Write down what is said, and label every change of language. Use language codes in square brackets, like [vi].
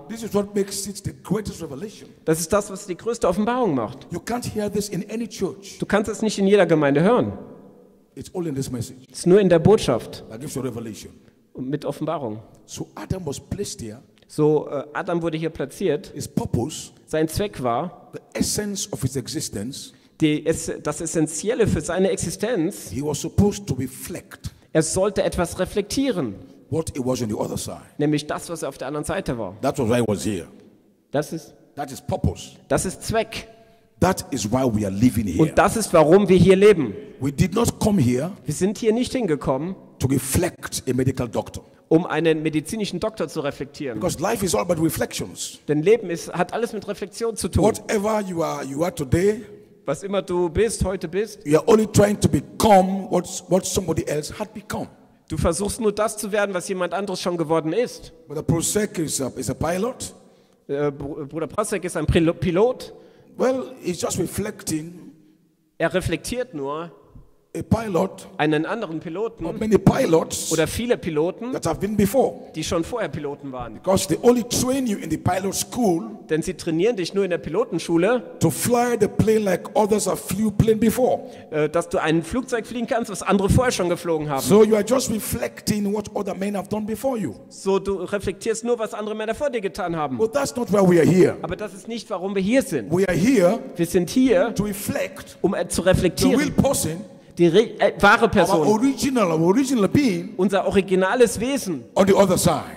[en] This is what makes it the greatest revelation. [de] Das ist das, was die größte Offenbarung macht. [en] You can't hear this in any church. [de] Du kannst es nicht in jeder Gemeinde hören. [en] It's all in this message. [de] Es ist nur in der Botschaft. [en] That gives you revelation. [de] Und mit Offenbarung. [en] So Adam was placed here. [de] So Adam wurde hier platziert. [en] His purpose, [de] sein Zweck war, [en] the essence of his existence, [de] das Essentielle für seine Existenz, [en] he was supposed to reflect, [de] er sollte etwas reflektieren, [en] what it was on the other side. [de] Nämlich das, was er auf der anderen Seite war. [en] That was why he was here. That is purpose. [de] Das ist Zweck. [en] That is why we are living here. [de] Und das ist, warum wir hier leben. [en] We did not come here, [de] wir sind hier nicht hingekommen, [en] to reflect a medical doctor. [de] Um einen medizinischen Doktor zu reflektieren. [en] Because life is all about reflections. [de] Denn Leben hat alles mit Reflexion zu tun. [en] Whatever you are today, [de] was immer du bist, heute bist, [en] you are only trying to become what somebody else had become. [de] Du versuchst nur das zu werden, was jemand anderes schon geworden ist. [en] But the Prosek is a pilot. [de] Bruder Prosek ist ein Pilot. [en] Well, he's just reflecting. [de] Er reflektiert nur. [en] A pilot, [de] einen anderen Piloten, [en] or many pilots, [de] oder viele Piloten, [en] that have been before, [de] die schon vorher Piloten waren. [en] Because they only train you in the pilot school, [de] denn sie trainieren dich nur in der Pilotenschule, [en] to fly the plane like others have flew plane before, [de] dass du ein Flugzeug fliegen kannst, was andere vorher schon geflogen haben. [en] So you are just reflecting what other men have done before you. [de] So du reflektierst nur, was andere Männer vor dir getan haben. [en] Well, that's not why we are here. [de] Aber das ist nicht, warum wir hier sind. [en] We are here, [de] wir sind hier, [en] to reflect, [de] um zu reflektieren. [en] The real person, [de] die wahre Person, [en] original being, [de] unser originales Wesen, [en] on the other side,